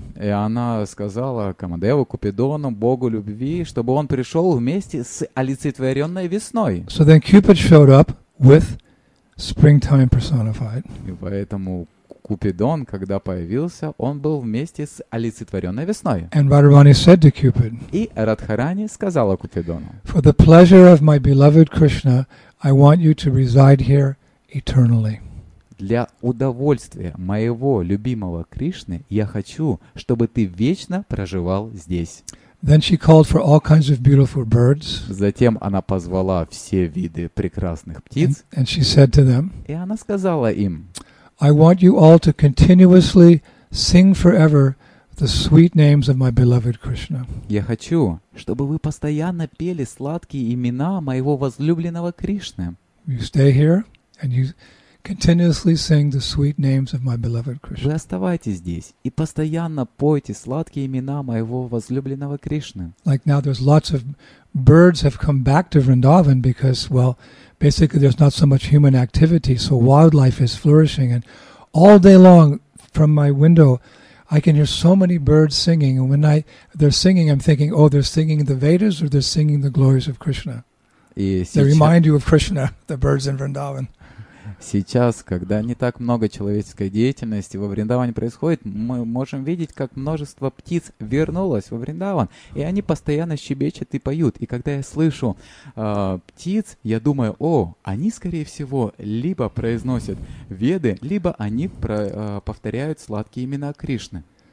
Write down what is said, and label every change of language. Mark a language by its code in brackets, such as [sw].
[ru] И она сказала Камадеву, Купидону, Богу любви, чтобы он пришел вместе с олицетворенной весной. [en] So then Cupid showed up with springtime personified. [ru] И поэтому Купидон, когда появился, он был вместе с олицетворенной весной. [en] And Radharani said to Cupid, [ru] и Радхарани сказала Купидону, [en] for the pleasure of my beloved Krishna, I want you to reside here eternally. [ru] Для удовольствия моего любимого Кришны я хочу, чтобы ты вечно проживал здесь. [en] Then she called for all kinds of beautiful birds. [ru] Затем она позвала все виды прекрасных птиц. [en] And she said to them, [ru] и она сказала им, [en] I want you all to continuously sing forever the sweet names of my beloved Krishna. [ru] Я хочу, чтобы вы постоянно пели сладкие имена моего возлюбленного Кришны. [en] You stay here and you continuously sing the sweet names of my beloved Krishna. [ru] Вы оставайтесь здесь и постоянно пойте сладкие имена моего возлюбленного Кришны. [en] Like now there's lots of birds have come back to Vrindavan because, well, basically there's not so much human activity, so wildlife is flourishing. And all day long from my window, I can hear so many birds singing. And when they're singing, I'm thinking, oh, they're singing the Vedas or they're singing the glories of Krishna. They remind you of Krishna, the birds in Vrindavan. [ru] Сейчас, когда не так много человеческой деятельности во Вриндаване происходит, мы можем видеть, как множество птиц вернулось во Вриндаван, и они постоянно щебечут и поют. И когда я слышу птиц, я думаю, о, они, скорее всего, либо произносят веды, либо они повторяют сладкие имена Кришны.